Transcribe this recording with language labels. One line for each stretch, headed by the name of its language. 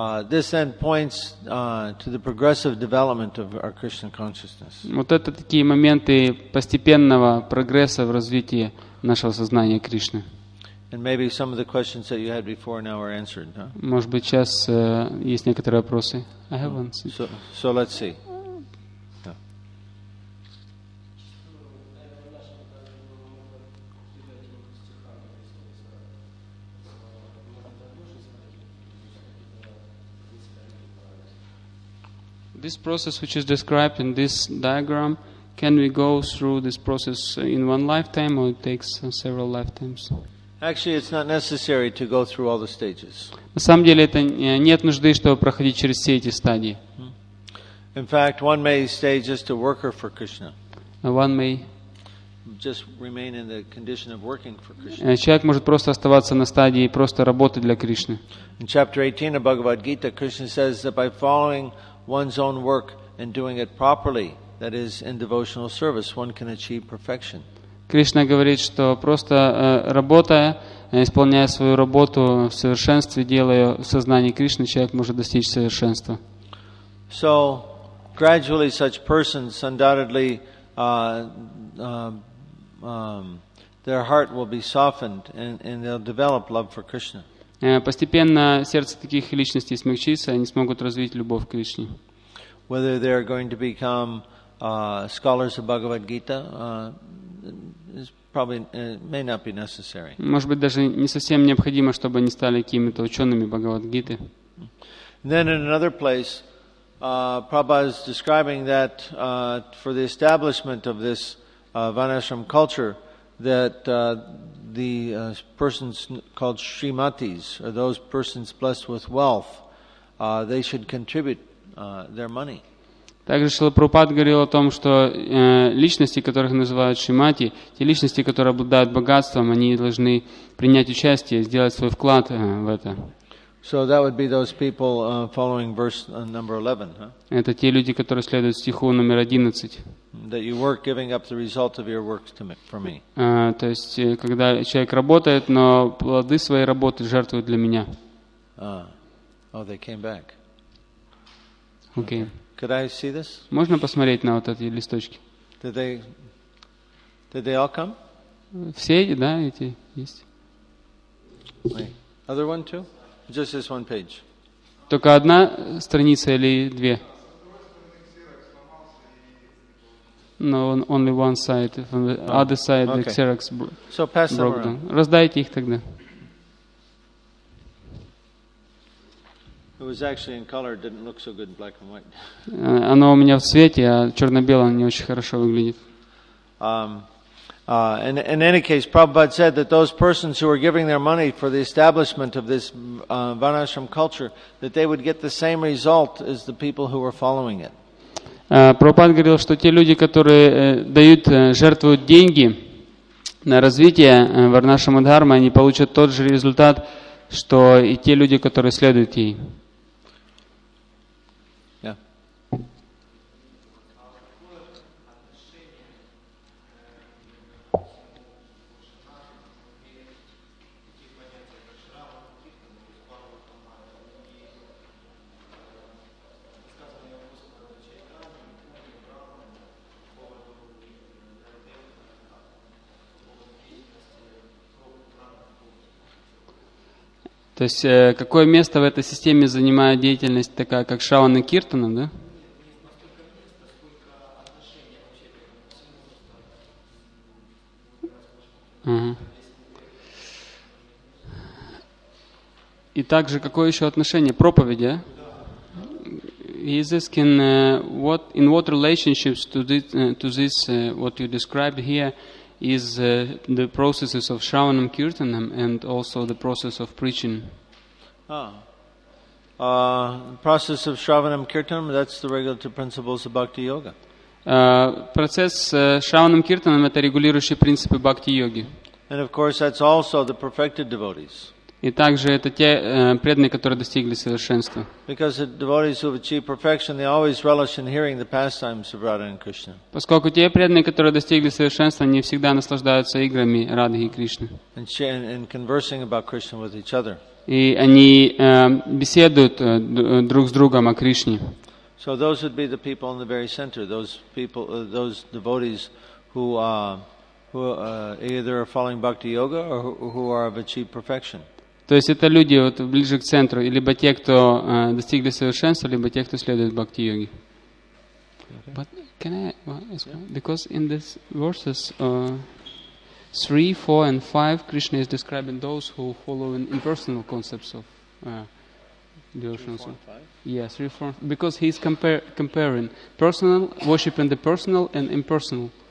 English: This then points to the progressive development of our Krishna consciousness.
Russian: Вот это такие моменты постепенного прогресса в развитии нашего сознания Кришны.
English: And maybe some of the questions that you had before now are answered, huh?
Russian: Может быть, сейчас есть некоторые вопросы.
English: I have one. So let's see. This process which is described in this diagram, can we go through this process in one lifetime or it takes several lifetimes? Actually, it's not necessary to go through all the stages.
Russian: На самом деле, это нет нужды, чтобы проходить через все эти стадии.
English: In fact, one may stay just a worker for Krishna. One may just remain in the condition of working for Krishna.
Russian: Человек может просто оставаться на стадии просто работы для Кришны.
English: In chapter 18 of Bhagavad Gita, Krishna says that by following one's own work and doing it properly, that is, in devotional service, one can achieve perfection.
Russian: Кришна говорит, что просто работая, исполняя свою работу в совершенстве, делая в сознании Кришны, человек может достичь совершенства.
English: So, gradually such persons, undoubtedly, their heart will be softened and they'll develop love for Krishna.
Russian: Постепенно сердце таких личностей смягчится, и они смогут развить любовь к Кришне.
English: Whether they're going to become scholars of Bhagavad Gita may not be necessary.
Russian: Может быть, даже не совсем необходимо, чтобы они стали какими-то учеными Бхагавад-гиты.
English: Then in another place, Prabhupada is describing that for the establishment of this Vanashram culture, that the persons called Srimatis, or those persons blessed with wealth, they should contribute their money.
Russian: Также Шрила Прабхупада говорил о том, что личности, которых называют Шримати, те личности, которые обладают богатством, они должны принять участие, сделать свой вклад в это.
English: So that would be those people following verse number 11, huh?
Russian: Это те люди, которые следуют стиху номер 11.
English: That you work giving up the result of your works to me, for me.
Russian: То есть, когда человек работает, но плоды своей работы жертвует для меня.
English: Oh, they came back. Okay. Could I see this?
Russian: Можно посмотреть на вот эти листочки?
English: Did they all come?
Russian: Все эти, да, эти есть.
English: Wait. Other one too? Just this one page.
Russian: Только одна страница или две?
English: No, only one side. From the other side, okay. The Xerox so pass them broke down.
Russian: Раздайте их тогда.
English: It was actually in color, didn't look so good in black and white.
Russian: Оно у меня в цвете, а черно-белое не очень хорошо выглядит.
English: In any case, Prabhupada said that those persons who were giving their money for the establishment of this Vanashram culture, that they would get the same result as the people who were following it.
Russian: Прабхупада говорил, что те люди, которые дают, жертвуют деньги на развитие Варнашрама Дхармы, они получат тот же результат, что и те люди, которые следуют ей. То есть, какое место в этой системе занимает деятельность такая, как Шравана Киртана, да? Угу. И также, какое еще отношение? Проповедь, а?
English: He is asking, in what relationships to this, what you described here, is the processes of Shravanam Kirtanam and also the process of preaching. Process of Shravanam Kirtanam, that's the regulative principles of Bhakti Yoga.
Russian: Процесс Shravanam Kirtanam — это регулирующие принципы Bhakti Yogi.
English: And of course that's also the perfected devotees.
Russian: И также это те преданные, которые достигли совершенства.
English: Because the devotees who have achieved perfection, they always relish in hearing the pastimes of Radha and Krishna.
Russian: Поскольку те преданные, которые достигли совершенства, они всегда наслаждаются играми Радхи и Кришны.
English: And conversing about Krishna with each other.
Russian: И они беседуют друг с другом о Кришне.
English: So those would be the people in the very center, those people, those devotees who either are following Bhakti Yoga or who are of achieved perfection.
Russian: То есть это люди вот ближе к центру, либо те, кто достигли совершенства, либо те, кто следует Бхакти Йоге.
English: But can I ask? Yeah. Because in this verses 3, 4, and 5, Krishna is describing those who follow in impersonal concepts of devotion. Yes, 3, 4, because he is comparing personal worship and the personal and impersonal.